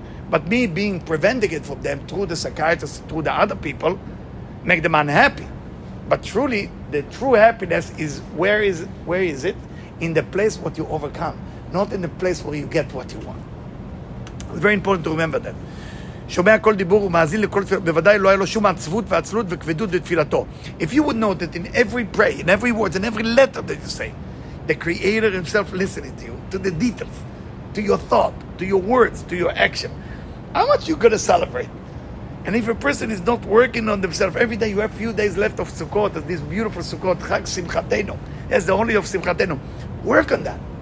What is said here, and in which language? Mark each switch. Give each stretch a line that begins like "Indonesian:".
English: But me being preventing it from them through the psychiatrist, through the other people, make them unhappy. But truly, the true happiness is, where is it? In the place what you overcome, not in the place where you get what you want. It's very important to remember that.
Hebrew: שומע כל דיבור ומאזין לכל תפילה, בוודאי לא היה לו שום עצבות ועצלות וכבדות בתפילתו.
English: If you would know that in every prayer, in every word, in every letter that you say, the Creator himself listening to you, to the details, to your thought, to your words, to your action, how much you going to celebrate? And if a person is not working on themselves, every day you have a few days left of Sukkot, of this beautiful Sukkot, Chag Simchatenu, as the only of Simchatenu, work on that.